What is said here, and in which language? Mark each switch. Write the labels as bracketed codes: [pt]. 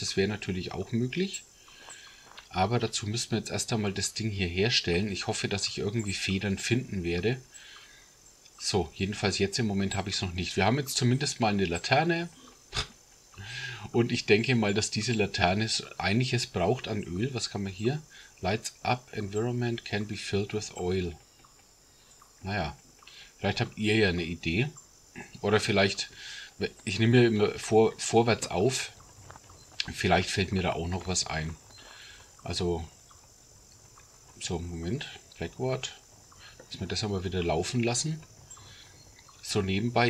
[de] Das wäre natürlich auch möglich. Aber dazu müssen wir jetzt erst einmal das Ding hier herstellen. Ich hoffe, dass ich irgendwie Federn finden werde. So, jedenfalls jetzt im Moment habe ich es noch nicht. Wir haben jetzt zumindest mal eine Laterne. Und ich denke mal, dass diese Laterne einiges braucht an Öl. Was kann man hier? [en] Lights up, environment can be filled with oil. [de] Naja. Vielleicht habt ihr ja eine Idee. Oder vielleicht, ich nehme mir immer vorwärts auf. Vielleicht fällt mir da auch noch was ein. Also, so, Moment. Backward. Lass mir das aber wieder laufen lassen. So nebenbei.